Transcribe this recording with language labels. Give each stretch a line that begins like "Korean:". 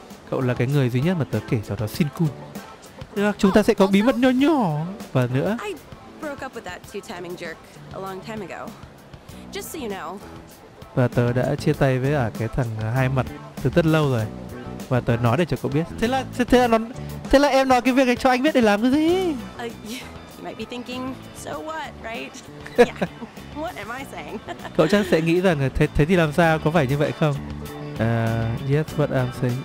Vietnamese: Cậu là cái người duy nhất mà tớ kể cho đó Shin Kun. Chúng ta sẽ có bí mật nhỏ nhỏ và nữa.
English: I broke up with that two timing jerk a long time ago. Just so you know.
Vietnamese: Và tớ đã chia tay với ở cái thằng hai mặt từ rất lâu rồi. Và tớ nói để cho cậu biết. Thế là em nói cái việc này cho anh biết để làm cái gì?
English: You might be thinking, so what, right? Yeah. What am I saying?
Vietnamese: Cậu chắc sẽ nghĩ rằng thế thì làm sao, có phải như vậy không?
English: Yes, what I'm saying.